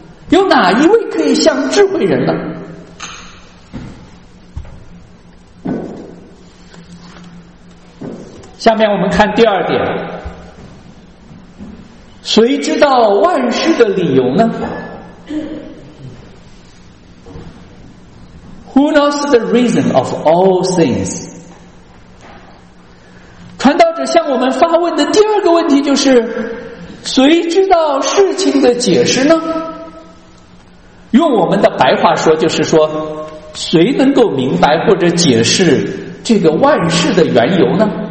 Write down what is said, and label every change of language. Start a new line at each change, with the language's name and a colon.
Chinese: 有哪一位可以像智慧人呢？下面我们看第二点，谁知道万事的理由呢？
English: Who knows the reason of all things?
Chinese: 传道者向我们发问的第二个问题就是，谁知道事情的解释呢？用我们的白话说，就是说谁能够明白或者解释这个万事的缘由呢？